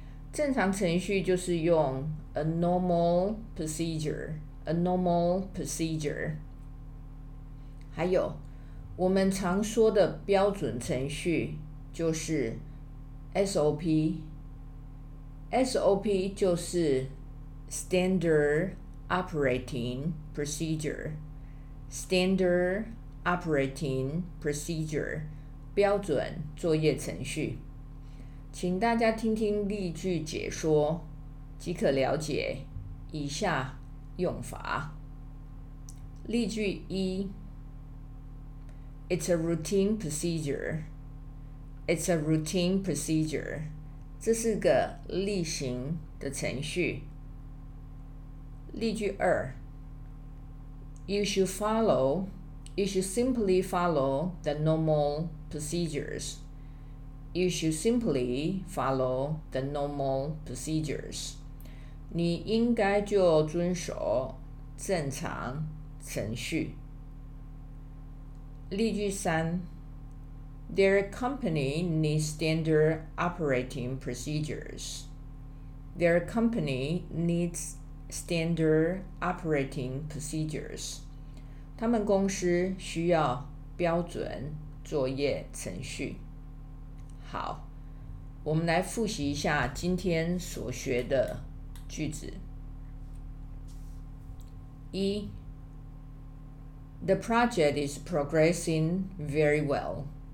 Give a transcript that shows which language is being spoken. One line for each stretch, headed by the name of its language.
Chinese: 正常程序就是用
English: a normal procedure,
Chinese: 还有我们常说的标准程序就是 SOP 就是
English: Standard Operating Procedure,
Chinese: 标准作业程序。请大家听听例句解说，即可了解以下用法。例句一，
English: It's a routine procedure.
Chinese: 这是个例行的程序。例句二，
English: You should simply follow the normal procedures.
Chinese: 你应该就遵守正常程序。例句三，
English: Their company needs standard operating procedures.
Chinese: 他们公司需要标准作业程序。好，我们来复习一下今天所学的句子。
English: 一，The project is progressing very well.